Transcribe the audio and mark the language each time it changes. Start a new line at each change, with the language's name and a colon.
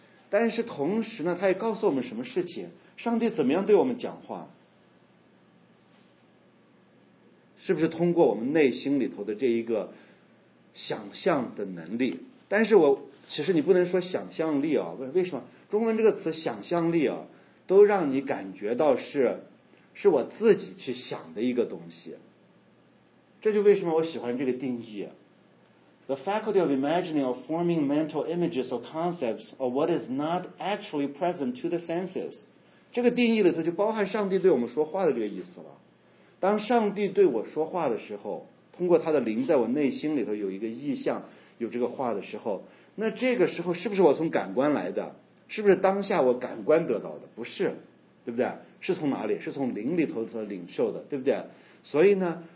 Chinese: 但是同时呢，他也告诉我们什么事情，上帝怎么样对我们讲话，是不是通过我们内心里头的这一个想象的能力？但是我其实你不能说想象力啊，为什么中文这个词想象力啊，都让你感觉到是我自己去想的一个东西。这就为什么我喜欢这个定义
English: ，the faculty of imagining or forming mental images or concepts or what is not actually present to the senses。
Chinese: 这个定义里头就包含上帝对我们说话的这个意思了。当上帝对我说话的时候，通过他的灵在我内心里头有一个意象，有这个话的时候，那这个时候是不是我从感官来的？是不是当下我感官得到的？不是，对不对？是从哪里？是从灵里头所领受的，对不对？所以呢，